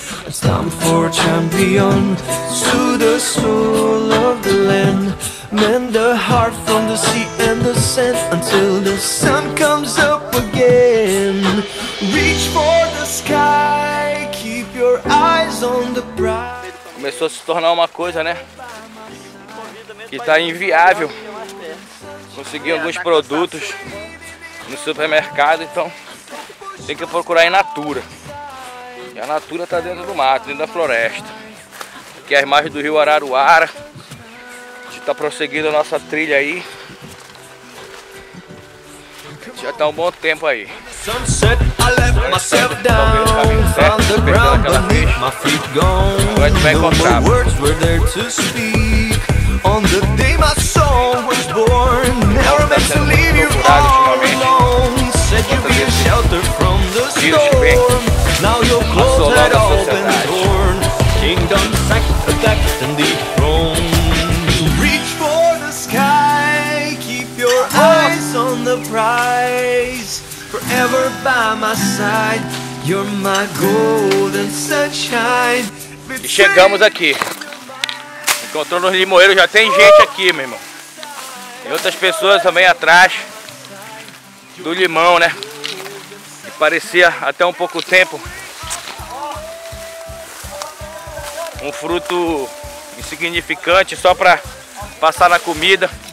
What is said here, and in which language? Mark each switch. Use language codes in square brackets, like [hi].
[en] It's time for champions to the soul of the land. Mend the heart from the sea and the sand until the sun comes up again. Reach for the sky, keep your eyes on the prize. [pt] Começou a se tornar uma coisa, né? Que tá inviável conseguir alguns produtos no supermercado, então tem que procurar em natura. E a natura tá dentro do mato, dentro da floresta. Aqui é as margens do rio Araruara. Tá prosseguindo a nossa trilha aí. Já tá um bom tempo aí. [en] Sunset, I left myself down from the ground beneath my feet gone. No more words were there to speak on the day my soul was born. Never meant to leave you all alone. Said you'd be a shelter from the storm. Now your clothes had all been torn. Kingdom sacked, attacked and dethroned. Reach for the sky. Keep your eyes on the prize. Forever by my side. You're my golden sunshine. [pt] E chegamos aqui. Encontrou no Limoeiro, já tem gente aqui, meu irmão. E outras pessoas também atrás do limão, né? E parecia até um pouco tempo um fruto insignificante só para passar na comida.